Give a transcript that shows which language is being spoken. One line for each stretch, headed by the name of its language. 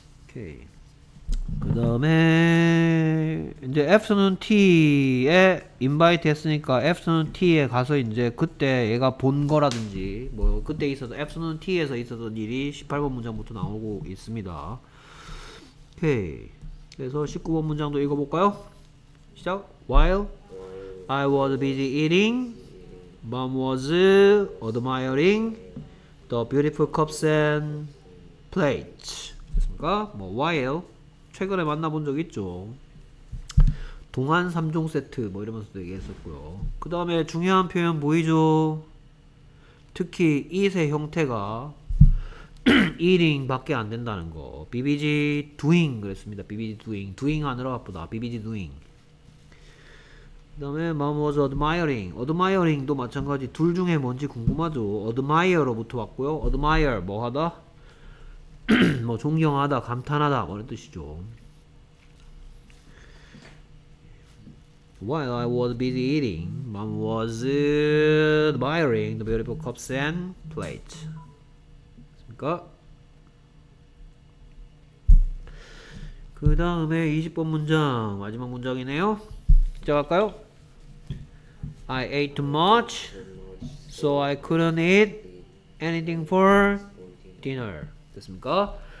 Korean: 오케이. 그 다음에 이제 afternoon tea에 invite 했으니까 afternoon tea에 가서 이제 그때 얘가 본 거라든지 뭐 그때 있어서 afternoon tea에서 있었던 일이 18번 문장부터 나오고 있습니다. 오케이. 그래서 19번 문장도 읽어볼까요? 시작.
English: While I was busy eating, mom was admiring the beautiful cups and plates.
Korean: 됐습니까? 뭐 while 최근에 만나본 적 있죠. 동안 3종 세트 뭐 이러면서도 얘기했었고요. 그 다음에 중요한 표현 보이죠? 특히 it의 형태가 eating 밖에 안 된다는 거. BBG doing 그랬습니다. BBG doing. doing 하느라 바쁘다. BBG doing. 그 다음에 mom was admiring. admiring도 마찬가지. 둘 중에 뭔지 궁금하죠. admire로부터 왔고요. admire 뭐 하다? 뭐 존경하다, 감탄하다 그런 뜻이죠.
English: While I was busy eating, mom was admiring the beautiful cups and plates.
Korean: 그러니까 그 다음에 20번 문장 마지막 문장이네요. 시작할까요?
English: I ate too much, so I couldn't eat anything for dinner.
Korean: 됐습니까?